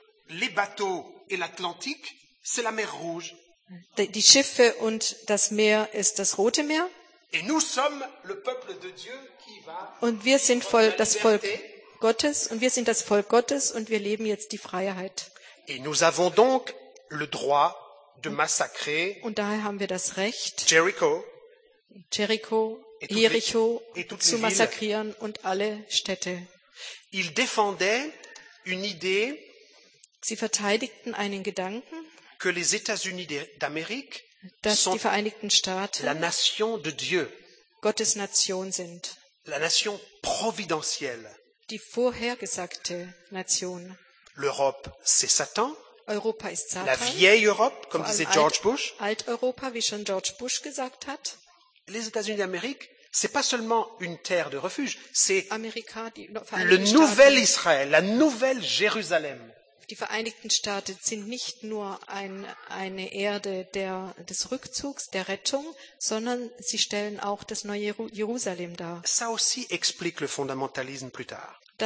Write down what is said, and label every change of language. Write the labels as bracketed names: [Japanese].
[French] Les bateaux et l'Atlantique, c'est la mer Rouge. [German] Die Schiffe und das Meer ist das Rote Meer. [French] Et nous sommes le peuple de Dieu qui va. [German] Und wir sind das Volk Gottes und wir sind das Volk Gottes und wir leben jetzt die Freiheit. [French] Et nous avons donc le droit de massacrer [German] und daher haben wir das Recht, Jericho et Jericho zu massakrieren und alle Städte. [French] Ils défendaient une idée, [German] sie verteidigten einen Gedanken, [French] que les États-Unis d'Amérique [German] dass sont die Vereinigten Staaten [French] la nation de Dieu, [German] Gottes Nation sind, [French] la nation providentielle, [German] die vorhergesagte Nation. [French] L'Europe, c'est Satan. [German] Europa ist Satan. [French] La vieille Europe, comme disait George Bush. [German] Alt-Europa, wie schon George Bush gesagt hat. [French] Les États-Unis d'Amérique, c'est pas seulement une terre de refuge, c'est [German] Amerika, [French] le nouvel Israël, la nouvelle Jérusalem. [German] Die Vereinigten Staaten sind nicht nur eine Erde des Rückzugs, der Rettung, sondern sie stellen auch das neue Jerusalem dar. [French] Ça aussi explique le fondamentalisme plus tard.